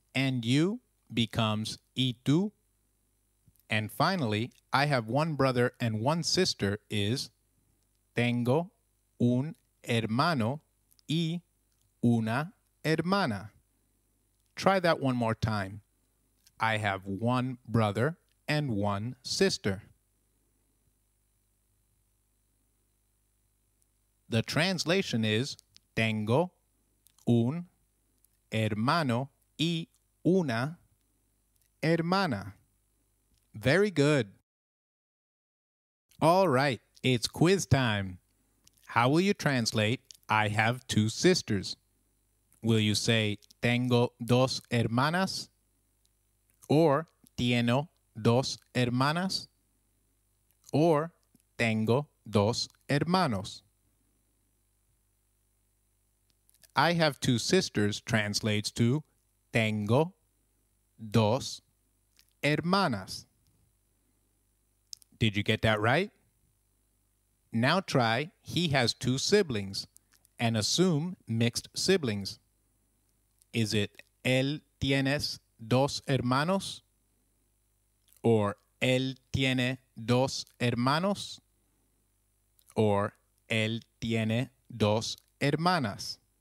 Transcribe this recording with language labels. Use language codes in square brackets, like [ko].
[en] and you becomes [es] y tú. [en] And finally, I have one brother and one sister is [es] tengo un hermano y una hermana. [en] Try that one more time. I have one brother and one sister. The translation is [es] tengo un hermano y una hermana. [en] Very good. All right, it's quiz time. How will you translate I have two sisters? Will you say [es] tengo dos hermanas? Or tengo dos hermanas? Or tengo dos hermanos? [en] I have two sisters translates to [es] tengo dos hermanas. [en] Did you get that right? Now try he has two siblings and assume mixed siblings. Is it [es] él tienes dos hermanos? Or él tiene dos hermanos? Or él tiene dos hermanas?